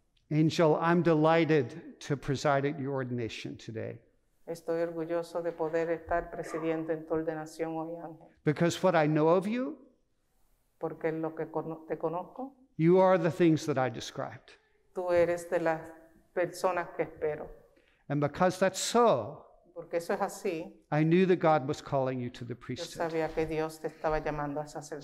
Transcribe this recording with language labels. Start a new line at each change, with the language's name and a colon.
English: Angel, I'm delighted to preside at your ordination today.
Spanish: Estoy orgulloso de poder estar presidiendo en tu ordenación hoy, Ángel.
English: Because what I know of you,
Spanish: Porque lo que te conozco.
English: You are the things that I described.
Spanish: Tú eres de las personas que espero.
English: And because that's so,
Spanish: porque eso es así,
English: I knew that God was calling you to the priesthood.
Spanish: Yo sabía que Dios te estaba llamando a sacerdote.